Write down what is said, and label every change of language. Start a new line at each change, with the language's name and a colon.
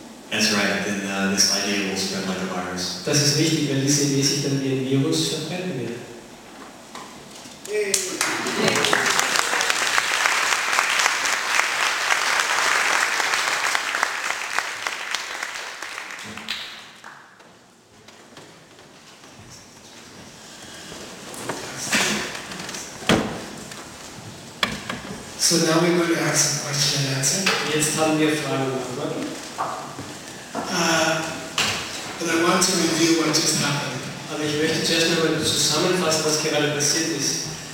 English: That's right, then this idea will spread like a virus.
German: Das ist richtig, weil diese Idee sich dann wie ein Virus verbreiten wird.
English: So now we're going to ask some question and answer.
German: Jetzt haben wir Fragen und Antworten.
English: But I want to review what just happened.
German: Aber ich möchte zuerst noch mal zusammenfassen, was gerade passiert ist.